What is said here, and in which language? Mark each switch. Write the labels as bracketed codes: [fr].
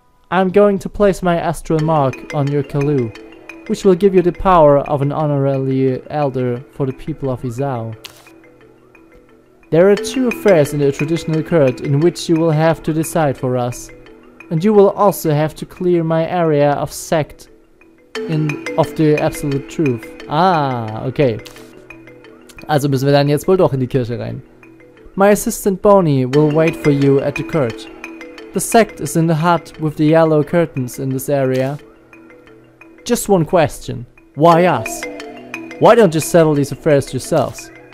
[en] I'm going to place my astral mark on your kalu, which will give you the power of an honorary elder for the people of Izao. There are two affairs in the traditional court in which you will have to decide for us, and you will also have to clear my area of sect of the absolute truth. Ah, okay. [de] Also müssen wir dann jetzt wohl doch in die Kirche rein. [en] My assistant Boni will wait for you at the court. The sect is in the hut with the yellow curtains in this area. Just one question. Why us? Why don't you settle these affairs yourselves?